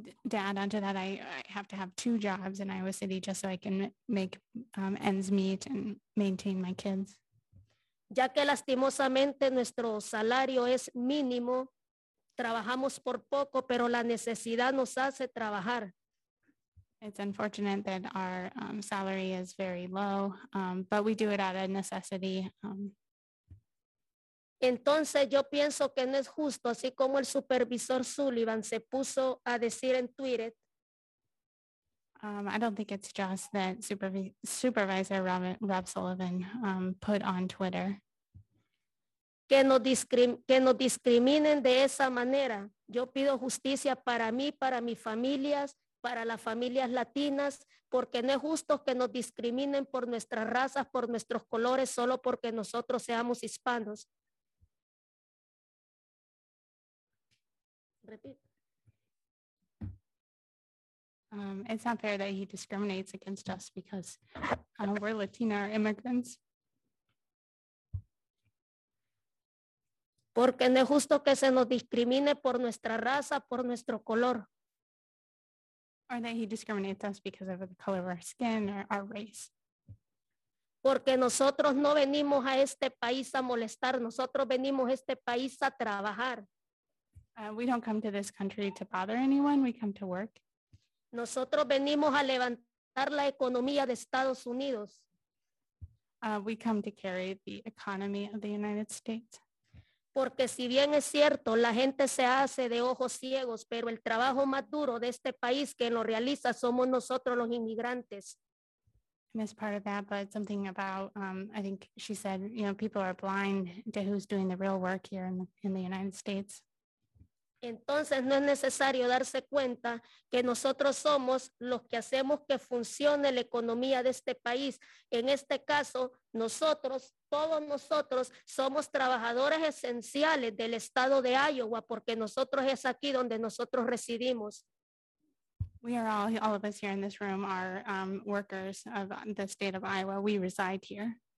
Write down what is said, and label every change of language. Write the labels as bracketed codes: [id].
[en] To add on to that, I have to have two jobs in Iowa City just so I can make ends meet and maintain my kids. [es] Ya que lastimosamente nuestro salario es mínimo, trabajamos por poco, pero la necesidad nos hace trabajar. [en] It's unfortunate that our salary is very low, but we do it out of necessity. [es] Entonces yo pienso que no es justo, así como el supervisor Sullivan se puso a decir en Twitter. [en] I don't think it's just that supervisor Rob Sullivan put on Twitter. [es] Que nos discriminen de esa manera. Yo pido justicia para mí, para mis familias, para las familias latinas, porque no es justo que nos discriminen por nuestras razas, por nuestros colores, solo porque nosotros seamos hispanos. [en] It's not fair that he discriminates against us because we're Latina or immigrants. [es] Porque no es justo que se nos discrimine por nuestra raza, por nuestro color. [en] Or that he discriminates us because of the color of our skin or our race. [es] Porque nosotros no venimos a este país a molestar, nosotros venimos a este país a trabajar. [en] We don't come to this country to bother anyone. We come to work. [es] Nosotros venimos a levantar la economía de Estados Unidos. [en] We come to carry the economy of the United States. [es] Porque si bien es cierto, la gente se hace de ojos ciegos, pero el trabajo más duro de este país que lo realiza somos nosotros los inmigrantes. [en] And it's part of that, but something about, I think she said, you know, people are blind to who's doing the real work here in the United States. [es] Entonces no es necesario darse cuenta que nosotros somos los que hacemos que funcione la economía de este país. En este caso, nosotros, todos nosotros, somos trabajadores esenciales del estado de Iowa porque nosotros es aquí donde nosotros residimos. [en] We are all of us here in this room are workers of the state of Iowa. We reside here.